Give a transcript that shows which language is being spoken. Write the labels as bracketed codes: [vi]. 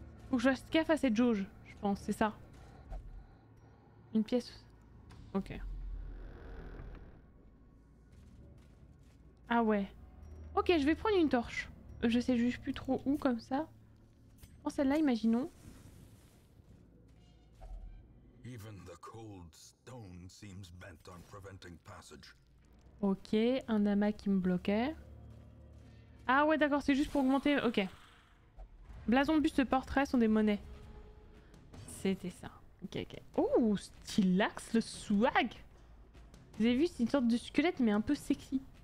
[fr] Faut que je fasse gaffe à cette jauge, je pense, c'est ça. Une pièce. Ok. Ah ouais. Ok, je vais prendre une torche. Je sais juste plus trop où comme ça. Je prends celle-là, imaginons. [en] Even the cold stone seems bent on preventing passage. [fr] Ok, un amas qui me bloquait. Ah ouais, d'accord, c'est juste pour augmenter. Ok. Blason, buste, portrait sont des monnaies. C'était ça. Ok, ok. Oh, Stylax, le swag! Vous avez vu, c'est une sorte de squelette, mais un peu sexy.